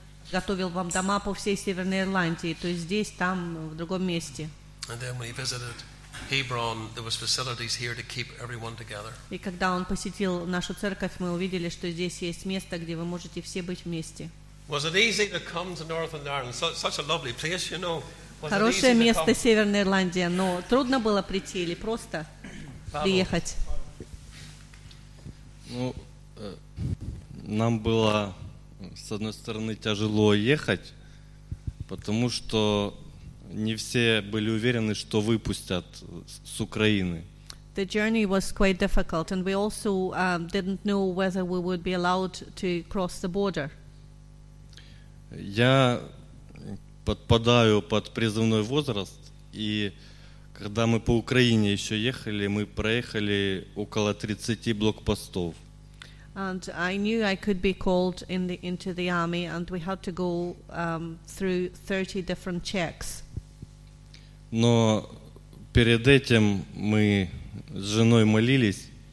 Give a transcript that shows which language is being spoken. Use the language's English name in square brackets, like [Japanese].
[Russian] Готовил вам дома по всей Северной Ирландии, то есть здесь, там, в другом месте. [English] And then when he visited Hebron, there was facilities here to keep everyone together. [Russian] И когда он посетил нашу церковь, мы увидели, что здесь есть место, где вы можете все быть вместе. [English] Was it easy to come to Northern Ireland? Such a lovely place, you know. [Russian] Хорошее место Северная Ирландия, но трудно было прийти или просто приехать? Ну, нам было с одной стороны тяжело ехать, потому что не все были уверены, что выпустят с Украины. [English] The journey was quite difficult, and we also didn't know whether we would be allowed to cross the border. [Russian] Я подпадаю под призывной возраст, и когда мы по Украине еще ехали, мы проехали около 30 блокпостов. [English] And I knew I could be called into the army, and we had to go through 30 different checks. [Russian] Но перед этим мы с женой молились.